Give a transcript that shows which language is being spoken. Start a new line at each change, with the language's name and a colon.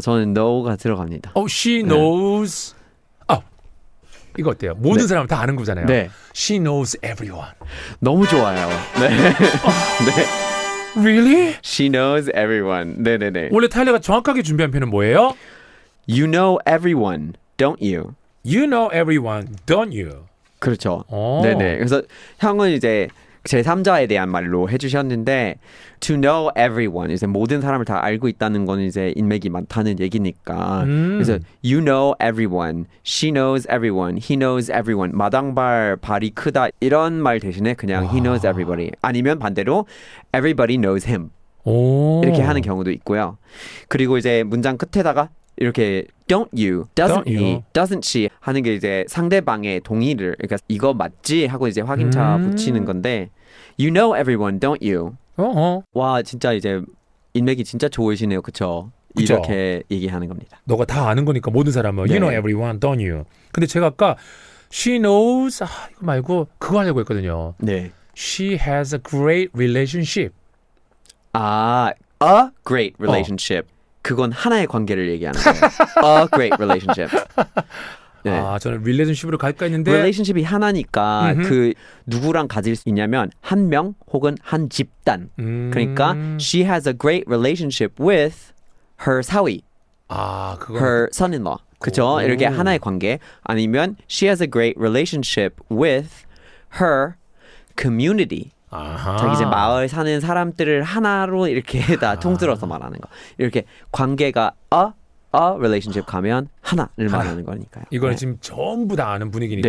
Korean: 저는 know가 들어갑니다.
English: She knows.
Korean: 네. 이거 어때요? 모든 네. 사람을 다 아는 거잖아요. 네.
English: She knows everyone.
Korean: 너무 좋아요. 네. 네.
English: Really? She knows everyone.
Korean: 네네네. 원래 타일러가 정확하게 준비한 표현은 뭐예요?
English: You know everyone, don't you? You know everyone, don't you?
Korean: 그렇죠. 네네. 그래서 형은 이제 제3자에 대한 말로 해주셨는데
English: to know everyone,
Korean: 이제 모든 사람을 다 알고 있다는 건 이제 인맥이 많다는 얘기니까 그래서
English: you know everyone, she knows everyone,
Korean: he knows everyone, 마당발 발이 크다 이런 말 대신에 그냥
English: he knows everybody
Korean: 아니면 반대로
English: everybody knows him
Korean: 이렇게 하는 경우도 있고요. 그리고 이제 문장 끝에다가 이렇게
English: don't you, doesn't he, doesn't she
Korean: 하는 게 이제 상대방의 동의를 그러니까 이거 맞지 하고 이제 확인차 붙이는 건데
English: you know everyone, don't you? 어허.
Korean: 와 진짜 이제 인맥이 진짜 좋으시네요, 그렇죠? 이렇게 얘기하는 겁니다. 너가 다 아는 거니까 모든 사람은 네.
English: you know everyone, don't you?
Korean: 근데 제가 아까
English: she knows
Korean: 이거 말고 그거 하려고 했거든요. 네.
English: She has a great relationship.
Korean: 아,
English: a great relationship.
Korean: 그건 하나의 관계를 얘기하는 거예요.
English: A great relationship.
Korean: 네. 아, 저는 릴레이션십으로 갈까 했는데 릴레이션십이 하나니까 음흠. 그 누구랑 가질 수 있냐면 한 명 혹은 한 집단.
English: 그러니까 she has a great relationship with her
Korean: 사위. 아, 그거
English: her son-in-law.
Korean: 그죠? 이렇게 하나의 관계 아니면
English: she has a great relationship with her community. 아하.
Korean: 자기 이제 마을 사는 사람들을 하나로 이렇게 다 통틀어서 말하는 거. 이렇게 관계가
English: a relationship
Korean: 가면 하나를 하나. 말하는 거니까요. 이거는 네. 지금 전부 다 아는 분위기니까.